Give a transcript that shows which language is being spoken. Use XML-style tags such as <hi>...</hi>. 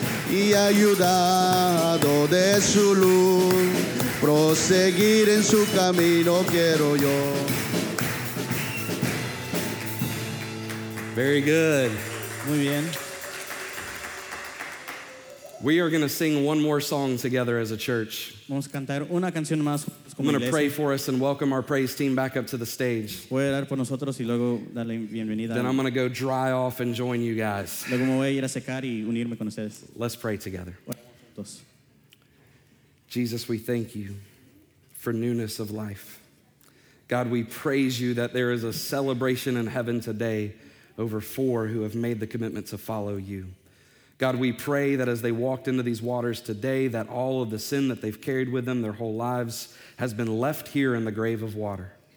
<es>Y ayudado de su luz, proseguir en su camino quiero yo.</es> <en>Very good.</en> <es>Muy bien.</es> <en>We are going to sing one more song together as a church.</en> <es>Vamos a cantar una canción más como iglesia.</es> <en>I'm going to pray for us and welcome our praise team back up to the stage.</en> <es>Voy a orar por nosotros y luego darle bienvenida.</es> <en>Then I'm going to go dry off and join you guys.</en> <es>Luego me voy a ir a secar y unirme con ustedes.</es> <en>Let's pray together. Jesus, we thank you for newness of life. God, we praise you that there is a celebration in heaven today over four who have made the commitment to follow you. God, we pray that as they walked into these waters today, that all of the sin that they've carried with them their whole lives has been left here in the grave of water.</en>